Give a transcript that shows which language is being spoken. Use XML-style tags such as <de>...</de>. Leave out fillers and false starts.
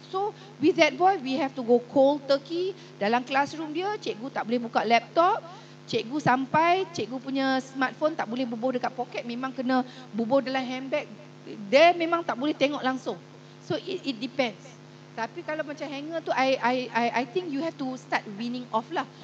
<en>So with that boy, we have to go cold turkey.</en> <ms>Dalam classroom dia, cikgu tak boleh buka laptop. Cikgu sampai, cikgu punya smartphone tak boleh bubuh dekat poket, memang kena bubuh dalam handbag. Dia memang tak boleh tengok langsung.</ms> <en>So it depends.</en> <ms>Tapi kalau macam hanger tu,</ms> <en>I think you have to start weaning off</en> <ms>lah.</ms>